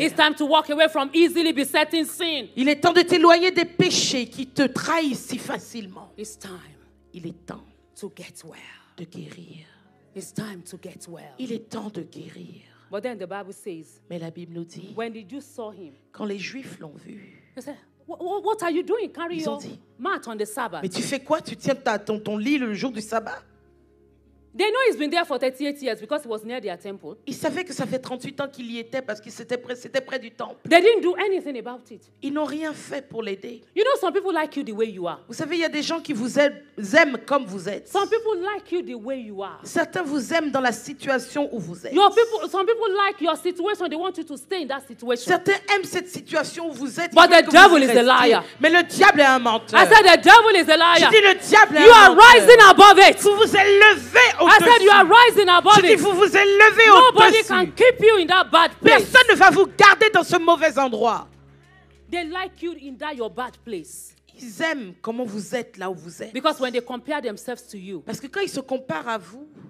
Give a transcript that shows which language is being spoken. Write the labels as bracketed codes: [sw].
[en] It's time to walk away from easily besetting sin. [fr] Il est temps de t'éloigner des péchés qui te trahissent si facilement. [en] It's time. [fr] Il est temps [en] to get well. [fr] De guérir. [en] It's time to get well. [fr] Il est temps de guérir. [en] But then the Bible says, [fr] Mais la Bible nous dit, [en] when did you saw him? [fr] Quand les Juifs l'ont vu, [en] what are you doing? Carry your mat on the Sabbath. [fr] Mais tu fais quoi? Tu tiens ton lit le jour du sabbat? [en] They know he's been there for 38 years because it was near their temple. [fr] Ils savaient que ça fait 38 ans qu'il y était parce que c'était près du temple. [en] They didn't do anything about it. [fr] Ils n'ont rien fait pour l'aider. [en] You know, some people like you the way you are. [fr] Vous savez, il y a des gens qui vous aiment comme vous êtes. [en] Some people like you the way you are. [fr] Certains vous aiment dans la situation où vous êtes. [en] Some people like your situation. They want you to stay in that situation. [fr] Certains aiment cette situation où vous êtes. [en] But the devil is a liar. [fr] Mais le diable est un menteur. [en] I said the devil is a liar. [fr] Je dis le diable est [en] you [fr] un [en] are [fr] menteur. [en] Rising above it. [fr] Vous vous élevez. [en] I said you are rising above it. [fr] Vous vous élevez au-dessus. [en] can keep you in that bad place. [fr] Personne ne va vous garder dans ce mauvais endroit. [en] They like you in that your bad place. [fr] Ils aiment comment vous êtes là où vous êtes. [en] Because when they compare themselves to you, [fr] parce que quand ils se comparent à vous,